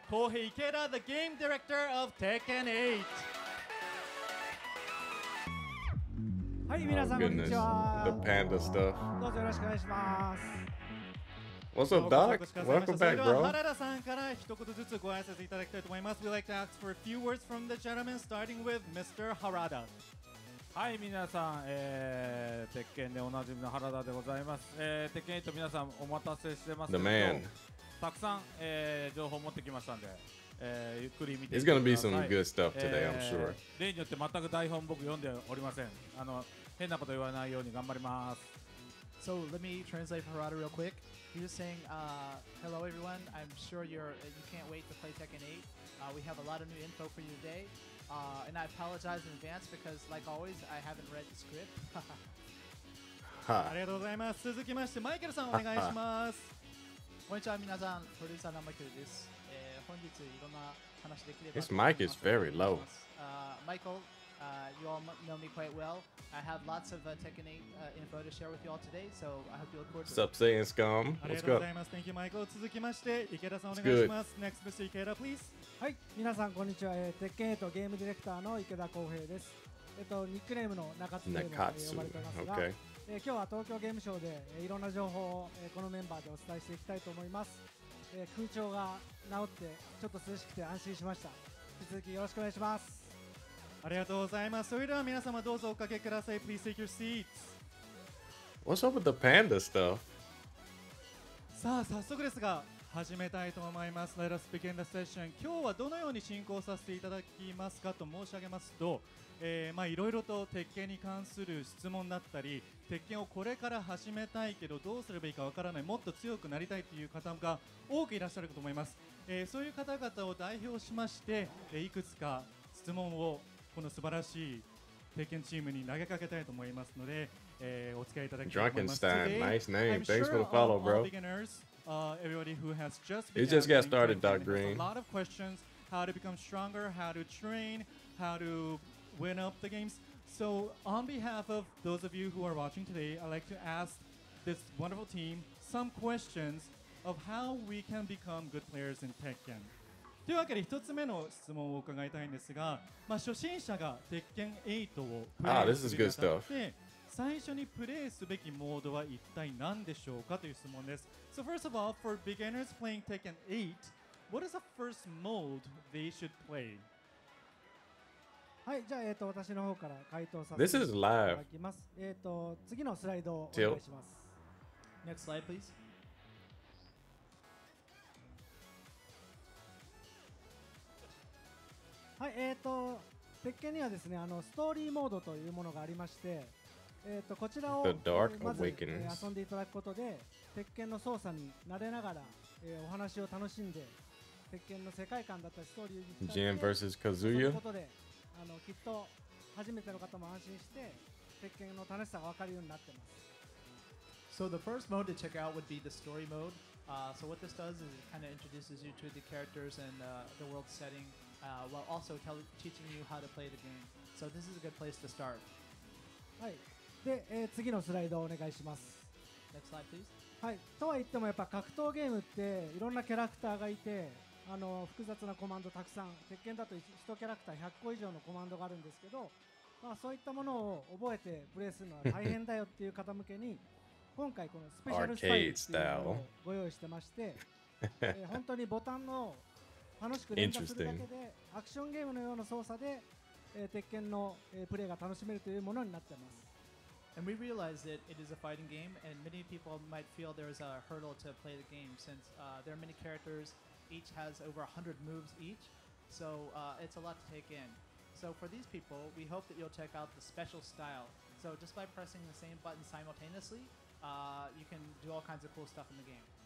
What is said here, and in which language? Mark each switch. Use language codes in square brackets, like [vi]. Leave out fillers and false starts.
[en] 康平、池田、the game director of Tekken 8! [ja] はい、みなさん、こんにちは。 [en] The panda stuff. [ja] どうぞよろしくお願いします。 [en] What's up, Doc? Welcome back, bro. [ja] それでは、原田さんから一言ずつご挨拶いただきたいと思います。 [en] We'd like to ask for a few words from the gentleman, starting with Mr. Harada. [ja] はい、みなさん、鉄拳でおなじみの原田でございます。鉄拳8、皆さんお待たせしてますけど、 [en] The man. [ja] たくさん、情報持ってきましたんで。ゆっくり見てください。 [en] It's gonna be some good stuff today, I'm sure. [ja] 例によって全く台本僕読んでおりません。あの、変なこと言わないように頑張ります。 [en] So, let me translate for Harada real quick. He's just saying, hello everyone. I'm sure you can't wait to play Tekken 8.、we have a lot of new info for you today.、and I apologize in advance because, like always, I haven't read the script. [ja] ありがとうございます。続きまして、マイケルさんお願いします。こんにちは、皆さん。プロデューサーのマイケルです。本日いろんな話できれば [en] This mic is very low. Michael, you all know me quite well. I have lots of Tekken 8 info to share with you all today, so I hope you look forward to it. What's up, Saiyan Scum? Let's go. Thank you, Michael. [ja] 続きまして、池田さんお願いします。 [en] Next, Mr. Ikeda, please. [ja] はい、皆さんこんにちは。Tekken 8 ゲームディレクターの池田康平です。ニックネームの中津というのを呼ばれていますが、okay. 今日は東京ゲームショーで、いろんな情報を、このメンバーでお伝えしていきたいと思います。空調が治ってちょっと涼しくて安心しました。引き続きよろしくお願いします。ありがとうございます。それでは皆様どうぞおかけください。 [en] Please take your seats. What's up with the panda stuff? [ja] さあ早速ですが始めたいと思います。 [en] Let us begin the session. [ja] 今日はどのように進行させていただきますかと申し上げますと、まあいろいろと鉄拳に関する質問だったり、鉄拳をこれから始めたいけどどうすればいいかわからない、もっと強くなりたいという方が多くいらっしゃるかと思います。そういう方々を代表しまして、いくつか質問をこの素晴らしい鉄拳チームに投げかけたいと思いますので、お付き合いいただきたいと思います。 [en] Drunkenstein, nice name. Thanks for the follow, bro. I'm sure all beginners, everybody who has just begun. It just got started, Doc Green. A lot of questions, how to become stronger, how to train, how to win up the games. So on behalf of those of you who are watching today, I'd like to ask this wonderful team some questions of how we can become good players in Tekken. [ja] というわけで一つ目の質問を伺いたいんですが、まあ、初心者が Tekken 8をプレイするにあたって最初にプレイすべきモードは一体何でしょうかという質問です。 [en] So first of all, for beginners playing Tekken 8, what is the first mode they should play? [ja] はい、じゃあ、私の方から回答させていただきます。次のスライドをお願いします。 [en] Next slide, please. [ja] はい、鉄拳にはですね、あのストーリーモードというものがありまして、こちらをまず、遊んでいただくことで鉄拳の操作に慣れながら、お話を楽しんで鉄拳の世界観だったりストーリーに [en] Jam vs. Kazuya、 [ja] あのきっと初めての方も安心して鉄拳の楽しさが分かるようになってます。 [en] So the first mode to check out would be the story mode. So what this does is it kind of introduces you to the characters and the world setting, while also teaching you how to play the game. So this is a good place to start. [ja] はい、で、次のスライドをお願いします。 [en] Next slide, please. [ja] はい、とは言ってもやっぱ格闘ゲームっていろんなキャラクターがいて、あの複雑なコマンドたくさん、鉄拳だと1キャラクター100個以上のコマンドがあるんですけど、まあ、そういったものを覚えてプレイするのは大変だよっていう方向けに今回このスペシャルスタイルっていうのをご用意してまして本当にボタンの楽しく連打するだけでアクションゲームのような操作で、鉄拳の、プレイが楽しめるというものになってます。 [en] And we realize that it is a fighting game and many people might feel there is a hurdle to play the game since、there are many characters. Each has over 100 moves each, so it's a lot to take in. So for these people, we hope that you'll check out the special style. So just by pressing the same button simultaneously, you can do all kinds of cool stuff in the game.